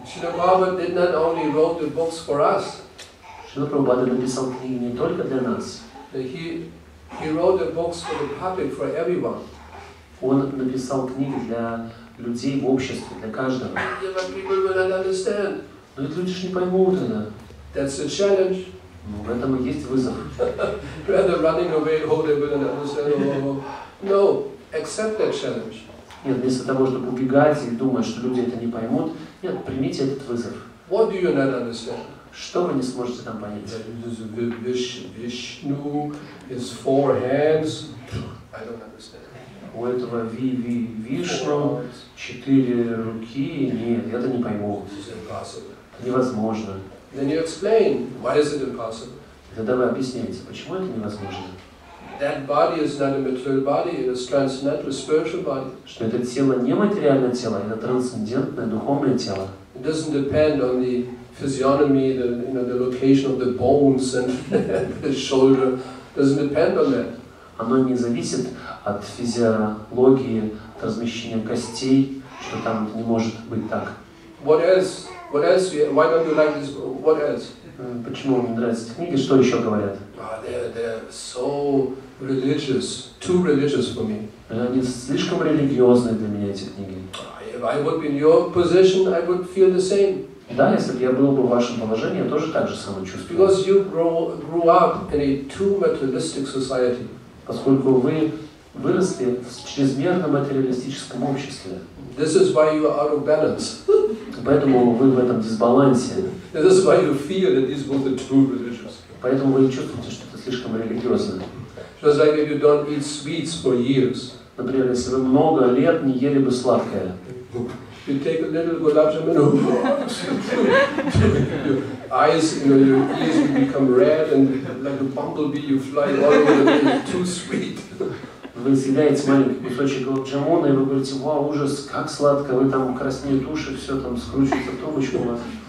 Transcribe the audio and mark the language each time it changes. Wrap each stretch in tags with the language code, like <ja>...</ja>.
<en>Шрила Прабхупада did not only wrote the books for us.</en> <ru>Шрила Прабхупада написал книги не только для нас.</ru> <en>He wrote the books for the public, for everyone.</en> <ru>Он написал книги для людей в обществе, для каждого.</ru> <en>But people will not understand.</en> <ru>Но ведь люди же не поймут это.</ru> <en>That's a challenge.</en> <ru>Ну, в этом и есть вызов.</ru> <en>Rather running away, holding with an understanding. No, accept that challenge.</en> <ru>Нет, вместо того, чтобы убегать и думать, что люди это не поймут, нет, примите этот вызов.</ru> <en>What do you not understand?</en> <ru>Что вы не сможете там понять?</ru> <en>Vishnu, his four hands. I don't understand.</en> <ru>У этого Вишну четыре руки, нет, я это не пойму. Невозможно.</ru> <en>Then you explain why is it impossible?</en> <ru>Тогда вы объясняете, почему это невозможно?</ru> <en>That body is not a material body, it is transcendental spiritual body.</en> <ru>Что это тело не материальное тело, это трансцендентное духовное тело.</ru> <en>It doesn't depend on the physiognomy, the, you know, the location of the bones and the shoulder. It doesn't depend on that.</en> <ru>Оно не зависит от физиологии, от размещения костей, что там не может быть так.</ru> <en>What else? What else? Why don't you like this? What else?</en> <ru>Почему вам не нравятся книги? Что еще говорят?</ru> <en>They're so religious, too religious for me.</en> <ru>Они слишком религиозные для меня, эти книги.</ru> <en>If I would be in your position, I would feel the same.</en> <ru>Да, если бы я был бы в вашем положении, я тоже так же самое чувствую.</ru> <en>Because you grew up in a too materialistic society.</en> <ru>Поскольку вы выросли в чрезмерно материалистическом обществе.</ru> <en>This is why you are out of balance.</en> <ru>Поэтому вы в этом дисбалансе.</ru> <en>This is why you feel that these were the true religions.</en> <ru>Поэтому вы чувствуете, что это слишком религиозно.</ru> <en>Just like if you don't eat sweets for years.</en> <ru>Например, если вы много лет не ели бы сладкое.</ru> <en>You take a little gulab jamun. Eyes, you know, your ears will become red and like a bumblebee you fly all over the place. Too sweet.</en> <ru>Вы съедаете маленький кусочек джамона, и вы говорите, вау, ужас, как сладко, вы там краснеют уши, все там скручивается в трубочку у вас.</ru>